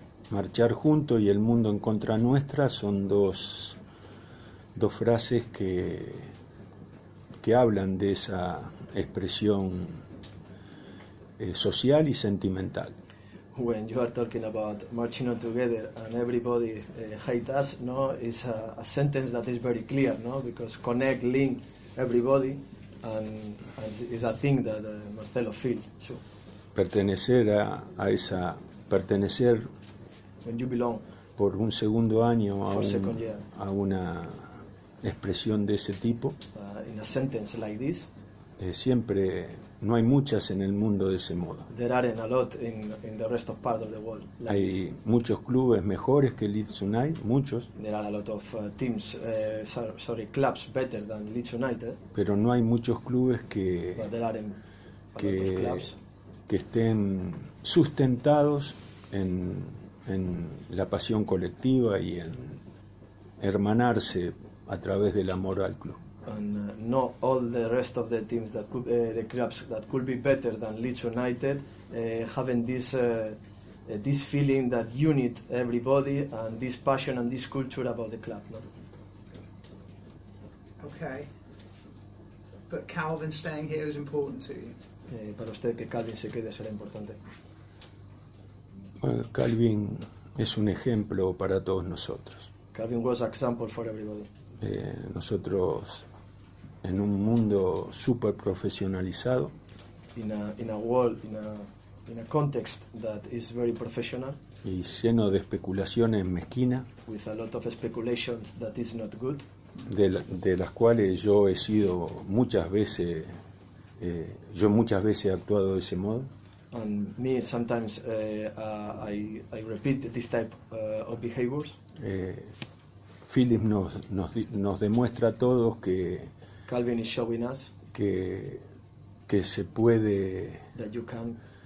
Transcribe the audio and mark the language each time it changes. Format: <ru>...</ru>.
<es>Marchar junto y el mundo en contra nuestra son dos frases que hablan de esa expresión social y sentimental.</es> <en>When you are talking about marching on together and everybody hate us, no, is a sentence that is very clear, no, because connect, link everybody, and is a thing that Marcelo feel too.</en> <es>Pertenecer</es> <en>when you belong</en> <es>por un segundo año a una expresión de ese tipo,</es> <en>in a sentence like this,</en> <es>siempre no hay muchas en el mundo de ese modo.</es> <en>There aren't a lot in the rest of part of the world like</en> <es>hay</es> <en>this.</en> <es>Muchos clubes mejores que Leeds United, muchos.</es> <en>There are a lot of teams clubs better than Leeds United,</en> <es>pero no hay muchos clubes que que estén sustentados en la pasión colectiva y en hermanarse a través del amor al club.</es> <en>and not all the rest of the teams that could, the clubs that could be better than Leeds United, having this this feeling that you need everybody and this passion and this culture about the club.</en> <es>No?</es> <en>Okay, but Calvin staying here is important to you.</en> <es>Para usted que Calvin se quede será importante. Calvin es un ejemplo para todos nosotros.</es> <en>Calvin was an example for everybody.</en> <es>Nosotros en un mundo super profesionalizado.</es> <en>In a world in a context that is very professional.</en> <es>Y lleno de especulaciones mezquinas.</es> <en>With a lot of speculations that is not good.</en> <es>De las cuales yo he sido muchas veces yo muchas veces he actuado de ese modo.</es> <en>And me sometimes I repeat this type of behaviors.</en> <es>Philip nos demuestra a todos que</es> <en>Calvin is showing us</en> <es>que se puede</es> <en>that you can</en>